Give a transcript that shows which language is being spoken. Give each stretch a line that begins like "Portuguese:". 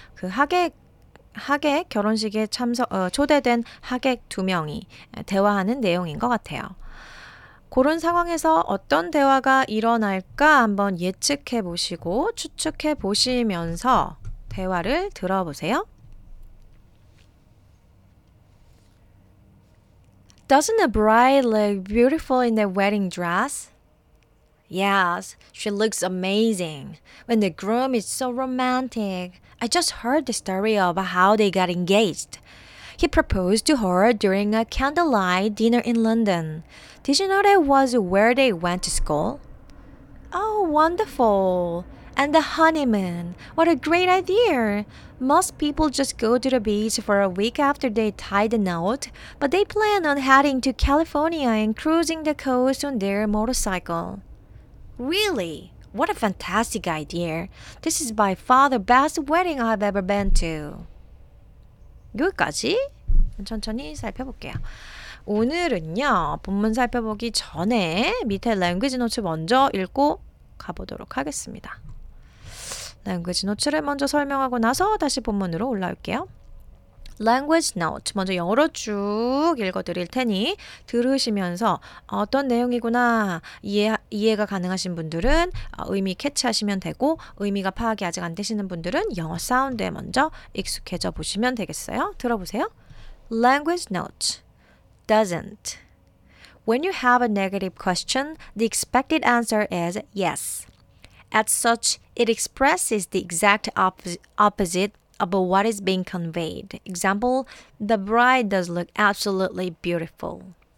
Korean: 그 하객 결혼식에 초대된 하객 두 명이 대화하는 내용인 것 같아요. 그런 상황에서 어떤 대화가 일어날까 한번 예측해 보시고 추측해 보시면서 대화를 들어보세요.
English: Doesn't the bride look beautiful in the wedding dress? Yes, she looks amazing. When the groom is so romantic. I just heard the story of how they got engaged. He proposed to her during a candlelight dinner in London. Did you know that was where they went to school? Oh, wonderful. And the honeymoon. What a great idea. Most people just go to the beach for a week after they tie the knot, but they plan on heading to California and cruising the coast on their motorcycle. Really? What a fantastic idea. This is by far the best wedding I've ever been to.
Korean: 여기까지 천천히 살펴볼게요. 오늘은요, 본문 살펴보기 전에 밑에 language notes 먼저 읽고 가보도록 하겠습니다. language notes를 먼저 설명하고 나서 다시 본문으로 올라올게요. language notes 먼저 영어로 쭉 읽어드릴 테니 들으시면서 어떤 내용이구나 이해가 가능하신 분들은 의미 캐치하시면 되고 의미가 파악이 아직 안 되시는 분들은 영어 사운드에 먼저 익숙해져 보시면 되겠어요. 들어보세요.
English: language notes doesn't When you have a negative question, the expected answer is yes. As such, it expresses the exact opposite about what is being conveyed. Example, the bride does look absolutely beautiful.